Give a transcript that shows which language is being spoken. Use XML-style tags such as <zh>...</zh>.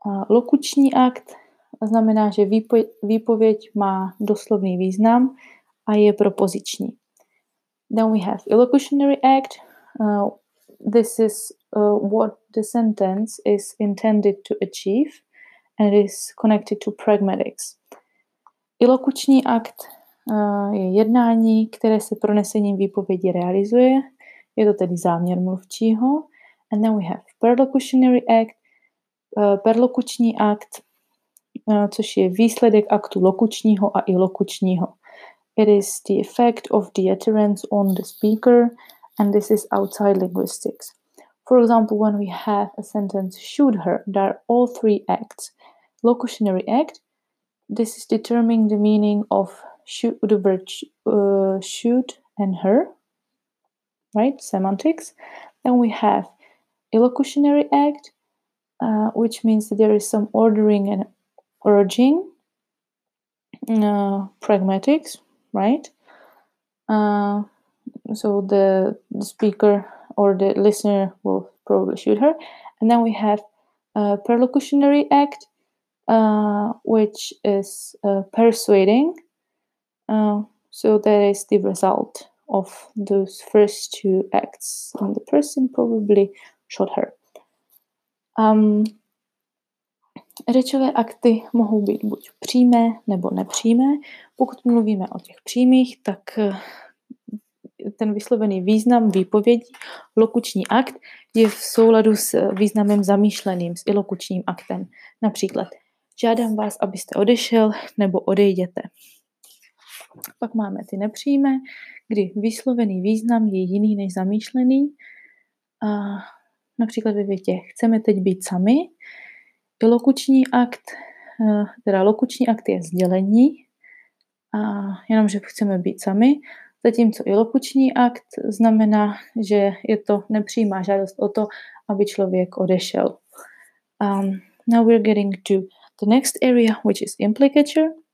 <cs>Lokuční akt znamená, že výpověď má doslovný význam a je propoziční.</cs> <en>Then we have illocutionary act. This is what the sentence is intended to achieve and is connected to pragmatics.</en> <cs>Ilokuční akt je jednání, které se pronesením výpovědi realizuje. Je to tedy záměr mluvčího.</cs> <en>And then we have perlocutionary act.</en> <cs>Perlokuční akt, což je výsledek aktu lokučního a ilokučního.</cs> <en>It is the effect of the utterance on the speaker, and this is outside linguistics. For example, when we have a sentence, shoot her, there are all three acts. Locutionary act. This is determining the meaning of shoot, the word shoot and her, right? Semantics. Then we have illocutionary act, which means that there is some ordering and urging, pragmatics, right? So the speaker or the listener will probably shoot her. And then we have perlocutionary act, which is persuading, so that is the result of those first two acts, and the person probably shot her.</en> <cs>Řečové akty mohou být buď přímé nebo nepřímé. Pokud mluvíme o těch přímých, tak ten vyslovený význam výpovědi, lokuční akt, je v souladu s významem zamýšleným, s ilokučním aktem. Například, žádám vás, abyste odešel nebo odejděte. Pak máme ty nepřímé, kdy vyslovený význam je jiný než zamýšlený. A například ve větě chceme teď být sami. Lokuční akt, teda lokuční akt je sdělení, a jenomže chceme být sami. Zatímco i lokuční akt znamená, že je to nepřímá žádost o to, aby člověk odešel.</cs> <en>Now we're getting to the next area, which is implicature.</en>